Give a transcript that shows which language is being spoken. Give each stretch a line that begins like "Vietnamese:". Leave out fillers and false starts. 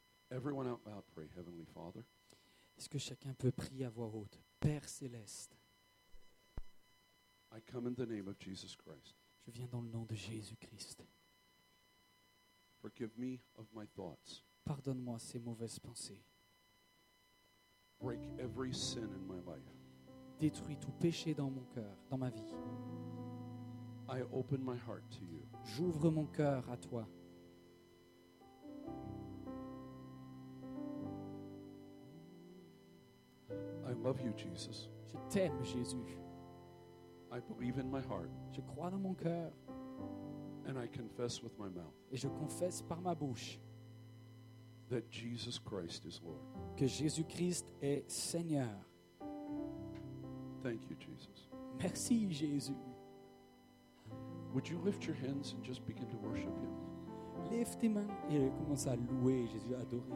English: Everyone out loud, pray, Heavenly Father.
French: Est-ce que chacun peut prier à voix haute, Père céleste?
English: I come in the name of Jesus Christ.
French: Je viens dans le nom de Jésus Christ.
English: Forgive me of my thoughts.
French: Pardonne-moi ces mauvaises pensées.
English: Break every sin in my life.
French: Détruis tout péché dans mon cœur, dans ma vie.
English: I open my heart to you.
French: J'ouvre mon cœur à toi.
English: I love you, Jesus.
French: Je t'aime, Jésus.
English: I believe in my heart.
French: Je crois dans mon cœur.
English: And I confess with my mouth.
French: Et je confesse par ma bouche.
English: That Jesus Christ is Lord.
French: Que Jésus-Christ est Seigneur.
English: Thank you, Jesus.
French: Merci, Jésus.
English: Would you lift your hands and just begin to worship him?
French: Lève tes mains et commence à louer Jésus, adorer.